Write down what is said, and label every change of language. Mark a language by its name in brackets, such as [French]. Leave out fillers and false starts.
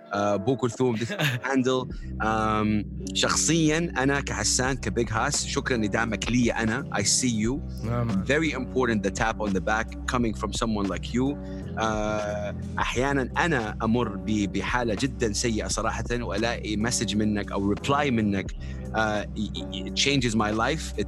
[Arabic] بو كلثوم, [English] this handle. [Arabic] شخصياً أنا كحسان كبيغ هاس, شكراً لدعمك لي أنا. [English] I see you. Very important, the tap on the back coming from someone like you. [Arabic] أحياناً أنا أمر بحالة جداً سيئة صراحةً, وألاقي message منك أو reply منك [English] it changes my life.